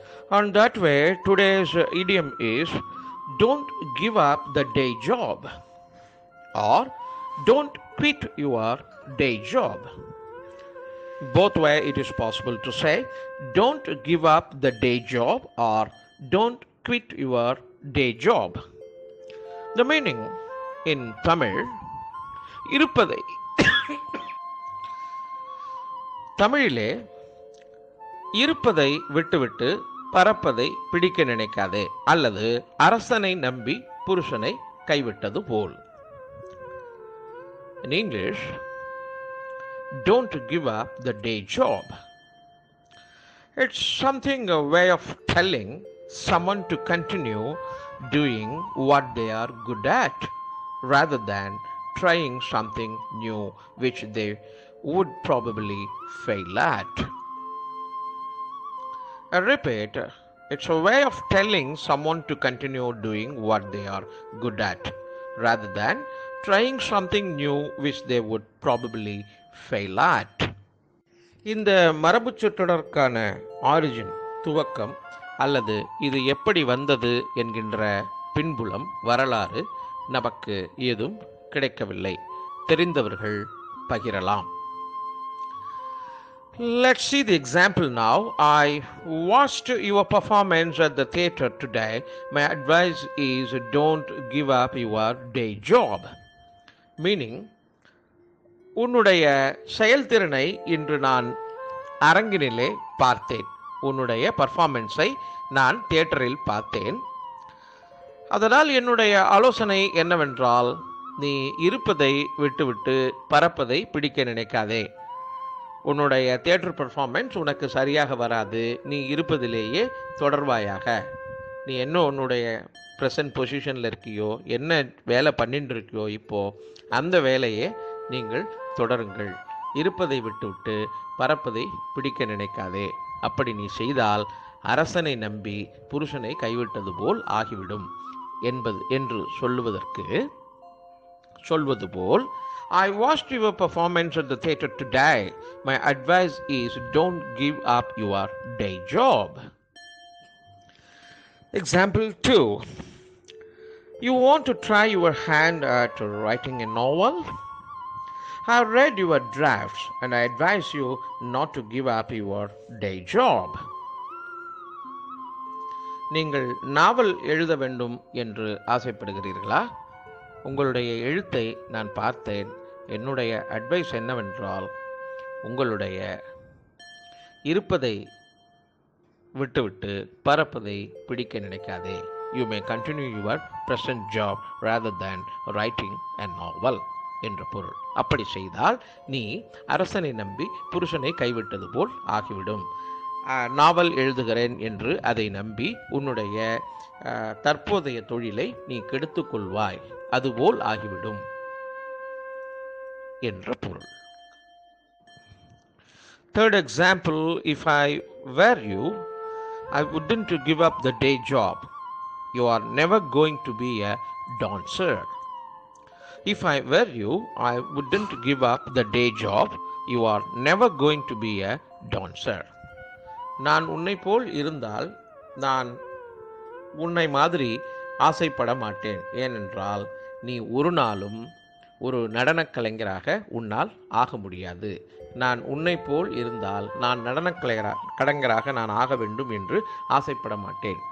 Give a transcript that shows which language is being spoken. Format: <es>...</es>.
<en>And that way, today's idiom is, don't give up the day job, or don't quit your day job. Both way it is possible to say, don't give up the day job, or don't quit your day job. The meaning in Tamil,</en> <ta>இருப்பதை தமிழிலே இருப்பதை விட்டுவிட்டு பறப்பதை பிடிக்க நினைக்காதே அல்லது அரசனை நம்பி புருஷனை கைவிட்டது போல்.</ta> <en>In English, don't give up the day job. It's something, a way of telling someone to continue doing what they are good at rather than trying something new which they would probably fail at. I repeat, it's a way of telling someone to continue doing what they are good at rather than trying something new which they would probably fail at.</en> <ta>இந்த மரபுச் சொற்றொடருக்கான origin, துவக்கம் அல்லது இது எப்படி வந்தது என்கின்ற பின்புலம் வரலாறு நமக்கு ஏதும் கிடைக்கவில்லை. தெரிந்தவர்கள் பகிரலாம்.</ta> <en>Let's see the example now. I watched your performance at the theater today. My advice is don't give up your day job.</en> <ta>Meaning, உன்னுடைய செயல்திறனை இன்று நான் அரங்கினிலே பார்த்தேன். உன்னுடைய பர்ஃபார்மென்ஸை நான் தியேட்டரில் பார்த்தேன். அதனால் என்னுடைய ஆலோசனை என்னவென்றால், நீ இருப்பதை விட்டுவிட்டு பறப்பதை பிடிக்க நினைக்காதே. உன்னுடைய தியேட்டர் பர்ஃபார்மென்ஸ் உனக்கு சரியாக வராது, நீ இருப்பதிலேயே தொடர்வாயாக. நீ என்ன உன்னுடைய ப்ரெசன்ட் பொசிஷனில் இருக்கியோ, என்ன வேலை பண்ணிட்டு இருக்கியோ இப்போ, அந்த வேலையே நீங்கள் தொடருங்கள். இருப்பதை விட்டுவிட்டு பறப்பதை பிடிக்க நினைக்காதே. அப்படி நீ செய்தால் அரசனை நம்பி புருஷனை கைவிட்டது போல் ஆகிவிடும் என்பது என்று சொல்லுவதற்கு சொல்வது போல்,</ta> <en>I watched your performance at the theater today. My advice is don't give up your day job. Example 2. You want to try your hand at writing a novel? I read your drafts and I advise you not to give up your day job.</en> <ta>நீங்கள் நாவல் எழுத வேண்டும் என்று ஆசைப்படுகிறீர்களா? உங்களுடைய எழுத்தை நான் பார்த்தேன். என்னுடைய advice என்னவென்றால், உங்களுடைய இருப்பதை விட்டுவிட்டு பறப்பதை பிடிக்க நினைக்காதே.</ta> <en>you may continue your present job rather than writing a novel</en> <ta>என்ற பொருள். அப்படி செய்தால் நீ அரசனை நம்பி புருஷனை கைவிட்டது போல் ஆகிவிடும். நாவல் எழுதுகிறேன் என்று அதை நம்பி உன்னுடைய தற்போதைய தொழிலை நீ கெடுத்துக்கொள்வாய், அதுபோல் ஆகிவிடும் என்ற பொருள்.</ta> <en>Third example, if I were you, I wouldn't give up the day job. You are never going to be a dancer. If I were you, I wouldn't give up the day job. You are never going to be a dancer.</en> <ta>நான் உன்னை போல் இருந்தால் நான் உன்னை மாதிரி ஆசைப்பட மாட்டேன். ஏனென்றால் நீ ஒரு நாளும் ஒரு நடனக் கலைஞராக உன்னால் ஆக முடியாது. நான் உன்னை போல் இருந்தால் நான் கலைஞராக நான் ஆக வேண்டும் என்று ஆசைப்பட மாட்டேன்.</ta>